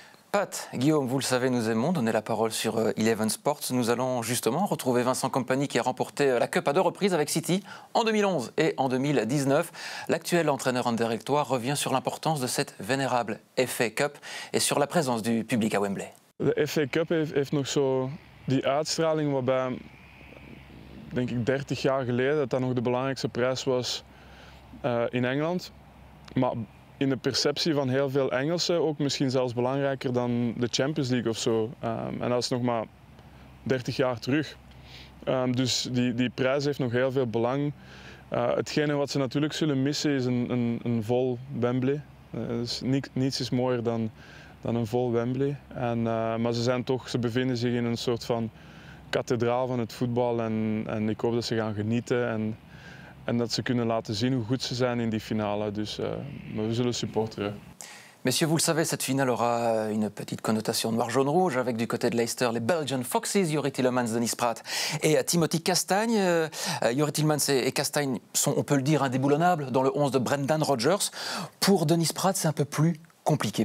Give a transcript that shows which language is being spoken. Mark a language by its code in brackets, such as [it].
[fr] Pat, Guillaume, vous le savez, nous aimons donner la parole sur Eleven Sports. Nous allons justement retrouver Vincent Kompany, qui a remporté la Cup à deux reprises avec City en 2011 et en 2019. L'actuel entraîneur en directoire revient sur l'importance de cette vénérable FA Cup et sur la présence du public à Wembley. [nl] La FA Cup heeft nog zo die uitstraling waarbij denk ik 30 jaar geleden dat dat nog de belangrijkste prijs was in Engeland. Maar in de perceptie van heel veel Engelsen ook misschien zelfs belangrijker dan de Champions League of zo. En dat is nog maar 30 jaar terug. Dus die prijs heeft nog heel veel belang. Hetgene wat ze natuurlijk zullen missen is een vol Wembley. Dus niets is mooier dan een vol Wembley. Maar ze bevinden zich in een soort van kathedraal van het voetbal. En ik hoop dat ze gaan genieten. En dat ze kunnen laten zien hoe goed ze zijn in die finale. Dus we zullen supporteren. [fr] Messieurs, vous le savez, cette finale aura une petite connotation noir-jaune-rouge avec du côté de Leicester les Belgian Foxes, Youri Tielemans, Denis Pratt et Timothy Castagne. Youri Tielemans et Castagne sont, on peut le dire, indéboulonnables dans le 11 de Brendan Rodgers. Pour Denis Pratt, c'est un peu plus compliqué.